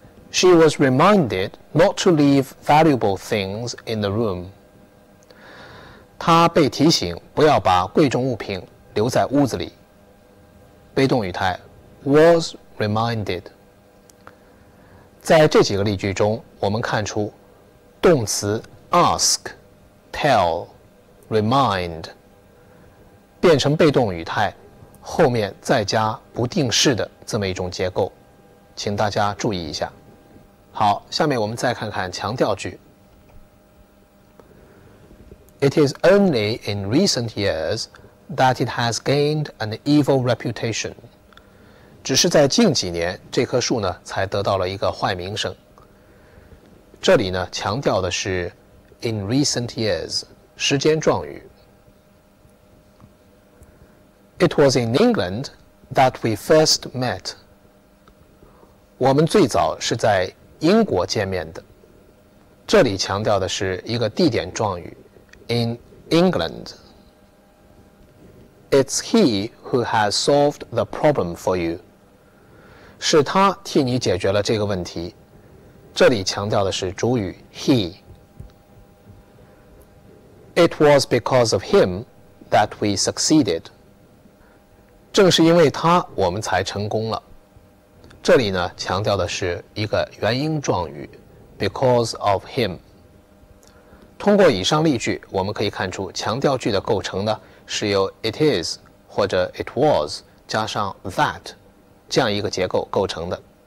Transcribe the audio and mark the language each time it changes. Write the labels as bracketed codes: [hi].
[en] She was reminded not to leave valuable things in the room. [zh] 他被提醒不要把贵重物品留在屋子里。被动语态 [en] was reminded。 [zh] 在这几个例句中，我们看出动词 ask, tell, remind 变成被动语态后面再加不定式的这么一种结构，请大家注意一下。好，下面我们再看看强调句。 [en] It is only in recent years that it has gained an evil reputation. [zh] 只是在近几年，这棵树呢才得到了一个坏名声。这里呢强调的是 [en] in recent years, [zh] 时间状语。 [en] It was in England that we first met. [zh] 我们最早是在英国见面的。这里强调的是一个地点状语。 [en] In England. It's he who has solved the problem for you. [zh] 是他替你解决了这个问题。这里强调的是主语 he. [en] It was because of him that we succeeded. [zh] 正是因为他我们才成功了。这里呢，强调的是一个原因状语 [en] because of him。 [zh] 通过以上例句，我们可以看出强调句的构成呢，是由 it is 或者 it was 加上 that 这样一个结构构成的。